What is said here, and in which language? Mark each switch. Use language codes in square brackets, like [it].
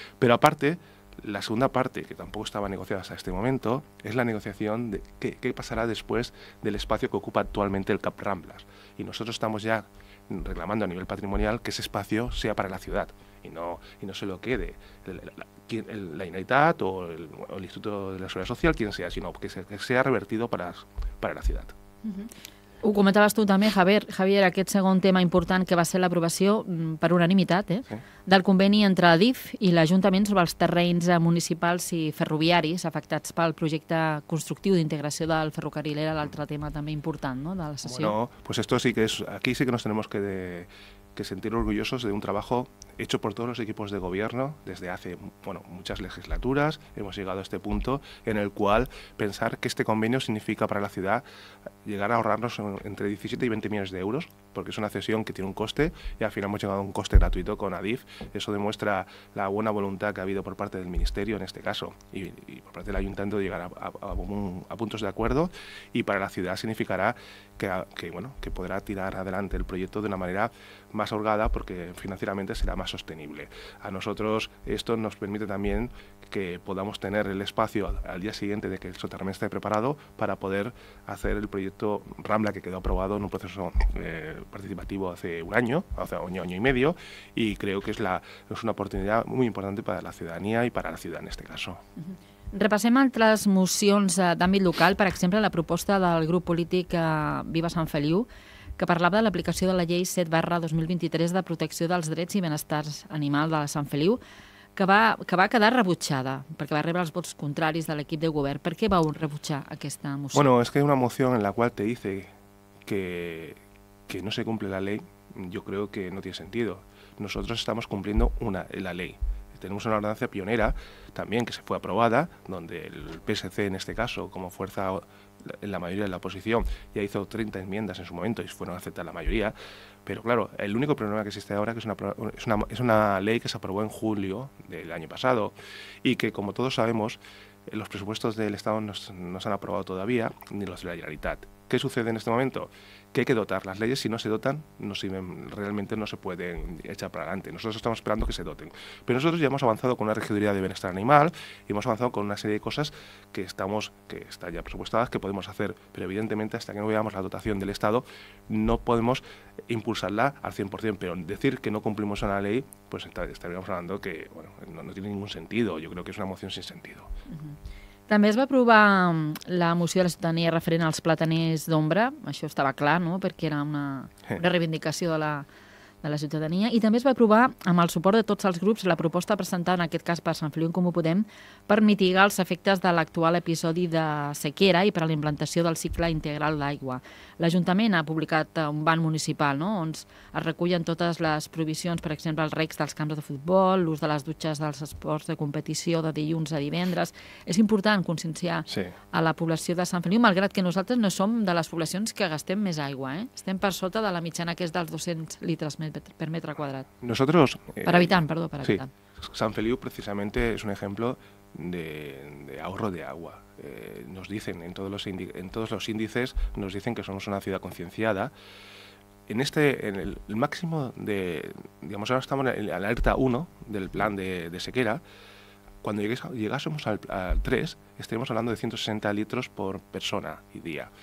[es] Pero aparte, la segunda parte, que tampoco estaba negociada hasta este momento, es la negociación de qué pasará después del espacio que ocupa actualmente el CAP Ramblas. Y nosotros estamos ya reclamando a nivel patrimonial que ese espacio sea para la ciudad y no se lo quede la Generalitat o el Instituto de la Seguridad Social, quien sea, sino que sea revertido para la ciudad. [ca] Ho comentaves tu també, Javier, aquest segon tema important que va ser l'aprovació per unanimitat del conveni entre l'ADIF i l'Ajuntament sobre els terrenys municipals i ferroviaris afectats pel projecte constructiu d'integració del ferrocarril. Era l'altre tema també important, no?, de la sessió. [es] Bueno, pues esto sí que es, aquí sí que nos tenemos que, de, que sentir orgullosos de un trabajo hecho por todos los equipos de gobierno desde hace, bueno, muchas legislaturas. Hemos llegado a este punto en el cual pensar que este convenio significa para la ciudad llegar a ahorrarnos entre 17 y 20 millones de euros, porque es una cesión que tiene un coste, y al final hemos llegado a un coste gratuito con Adif. Eso demuestra la buena voluntad que ha habido por parte del Ministerio en este caso, y por parte del Ayuntamiento, de llegar a puntos de acuerdo. Y para la ciudad significará que podrá tirar adelante el proyecto de una manera más holgada, porque financieramente será más sostenible. A nosotros esto nos permite también que podamos tener el espacio al día siguiente de que el soterramiento esté preparado para poder hacer el proyecto Rambla, que quedó aprobado en un proceso participativo hace un año, hace año y medio, y creo que es una oportunidad muy importante para la ciudadanía y para la ciudad en este caso. Uh-huh. [ca] Repassem altres mocions d'àmbit local, per exemple, la proposta del grup polític Viva Sant Feliu, que parlava de l'aplicació de la llei 7/2023 de protecció dels drets i benestars animals de Sant Feliu, que va quedar rebutjada, perquè va rebre els vots contraris de l'equip de govern. Per què vau rebutjar aquesta moció? [es] Bueno, es que hay una moción en la cual te dice que no se cumple la ley. Yo creo que no tiene sentido. Nosotros estamos cumpliendo la ley. Tenemos una ordenanza pionera también que se fue aprobada, donde el PSC en este caso, como fuerza en la mayoría de la oposición, ya hizo 30 enmiendas en su momento y fueron aceptadas la mayoría. Pero claro, el único problema que existe ahora es que es una ley que se aprobó en julio del año pasado y que, como todos sabemos, los presupuestos del Estado no se han aprobado todavía, ni los de la Generalitat. ¿Qué sucede en este momento? Que hay que dotar las leyes. Si no se dotan, no sirven, realmente no se pueden echar para adelante. Nosotros estamos esperando que se doten. Pero nosotros ya hemos avanzado con una regiduría de bienestar animal y hemos avanzado con una serie de cosas que están ya presupuestadas, que podemos hacer. Pero evidentemente, hasta que no veamos la dotación del Estado, no podemos impulsarla al 100%. Pero decir que no cumplimos una ley, pues estaríamos hablando que, bueno, no tiene ningún sentido. Yo creo que es una moción sin sentido. Uh-huh. [ca] També es va aprovar la moció de la ciutadania referent als plataners d'ombra, això estava clar, no?, perquè era una reivindicació de la ciutadania, i també es va aprovar, amb el suport de tots els grups, la proposta presentada en aquest cas per Sant Feliu en Comú Podem per mitigar els efectes de l'actual episodi de sequera i per a la implantació del cicle integral d'aigua. L'Ajuntament ha publicat un banc municipal, no?, on es recullen totes les provisions, per exemple, els recs dels camps de futbol, l'ús de les dutxes dels esports de competició de dilluns a divendres. És important conscienciar a la població de Sant Feliu, malgrat que nosaltres no som de les poblacions que gastem més aigua, eh? Estem per sota de la mitjana, que és dels 200 litres per metre quadrat. [es] Nosotros... [ca] Per habitant. Sant Feliu, precisament, és un exemple de [es] ahorro de agua. Nos dicen en todos los índices, nos dicen que somos una ciudad concienciada. En el máximo de, digamos, ahora estamos en la alerta 1 del plan de sequera. Cuando llegásemos al 3, estaríamos hablando de 160 litros por persona y día.